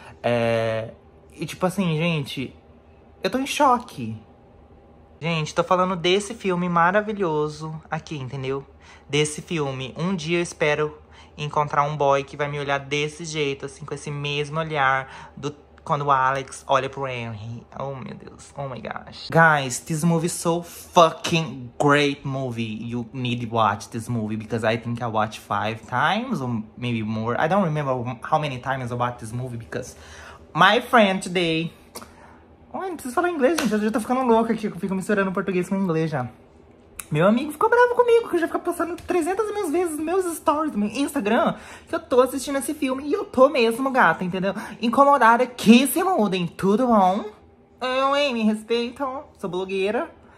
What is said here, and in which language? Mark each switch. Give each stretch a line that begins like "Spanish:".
Portuguese: E tipo assim, gente, eu tô em choque. Gente, tô falando desse filme maravilhoso aqui, entendeu? Desse filme, um dia eu espero encontrar um boy que vai me olhar desse jeito, assim, com esse mesmo olhar do quando o Alex olha pro Henry. Oh, meu Deus.
English: Oh, my gosh. Guys, this movie is so fucking great movie. You need to watch this movie because I think I watched 5 times or maybe more. I don't remember how many times I watched this movie because my friend today...
Portuguese: Oh, não preciso falar inglês, gente. Eu já tô ficando louca aqui. Eu fico misturando português com inglês já. Meu amigo ficou bravo comigo, que eu já fico postando 300 mil vezes meus stories no meu Instagram, que eu tô assistindo esse filme, e eu tô mesmo, gata, entendeu? Incomodada, que se mudem, tudo bom? Eu, hein, me respeito, sou blogueira.